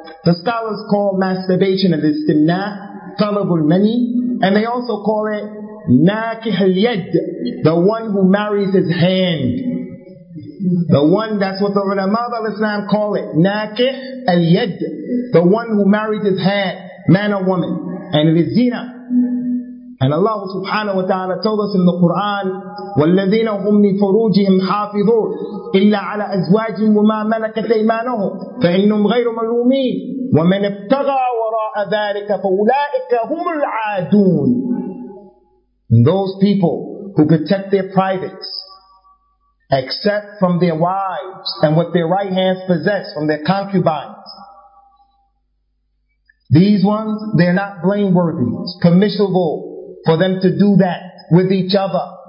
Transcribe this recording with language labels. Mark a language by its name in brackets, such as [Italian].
[English] The scholars call masturbation an istimna, talab al-mani, and they also call it nakih al-yad, the one who marries his hand. The one, that's what the ulama of Islam call it, nakih al-yad, the one who marries his hand, man or woman, and it is zina. And Allah subhanahu wa ta'ala told us in the Quran, [Arabic] وَالَّذِينَ هُمْ لِفُرُوجِهِمْ حَافِظُونَ إِلَّا عَلَىٰ أَزْوَاجِهِمْ وَمَا مَلَكَتْ أَيْمَانُهُمْ فَإِنَّهُمْ غَيْرُ مَلُومِينَ وَمَنْ ابْتَغَى وَرَاءَ ذَٰلِكَ فَأُولَٰئِكَ هُمُ الْعَادُونَ. [English] Those people who protect their privates, except from their wives and what their right hands possess from their concubines, these ones, they're not blameworthy. It's permissible for them to do that with each other.